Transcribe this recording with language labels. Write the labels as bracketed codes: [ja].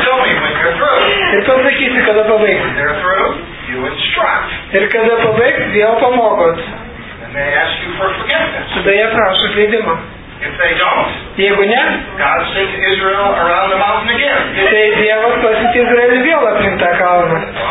[en] Tell me when you're through. [lt] Ir pasakysi, kada pabaigti. [en] When they're through, you instruct. [lt] Ir kada pabaigti, vėl pamokot. [en] And they ask you for forgiveness. [lt] Tada jie prašo atleidimą. [en] If they don't. [lt] Jeigu ne. [en] God sent Israel around the mountain again. [lt] Tai Dievas pasiuntė Izraelį vėl aplink tą kalną.